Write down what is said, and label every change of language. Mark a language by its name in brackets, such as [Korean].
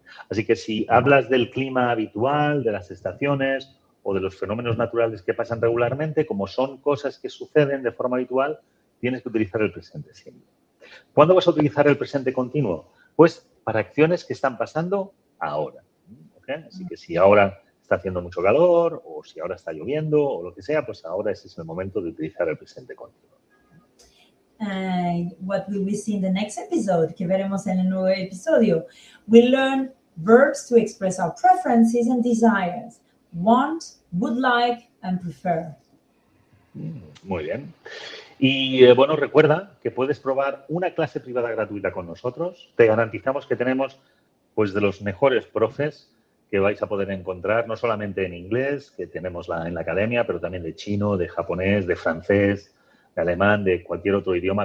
[Spanish] Así que si hablas del clima habitual, de las estaciones o de los fenómenos naturales que pasan regularmente, como son cosas que suceden de forma habitual, tienes que utilizar el presente simple. ¿Cuándo vas a utilizar el presente continuo? Pues para acciones que están pasando ahora. ¿Okay? Así que si ahora está haciendo mucho calor o si ahora está lloviendo o lo que sea, pues ahora ese es el momento de utilizar el presente continuo. [English] What will we see in the next episode? [Spanish] Que veremos en el nuevo episodio. [English] We learn verbs to express our preferences and desires. Want, would like and prefer. [Spanish] Muy bien. Y bueno, recuerda que puedes probar una clase privada gratuita con nosotros. Te garantizamos que tenemos pues de los mejores profes que vais a poder encontrar, no solamente en inglés, que tenemos en la academia, pero también de chino, de japonés, de francés, de alemán, de cualquier otro idioma.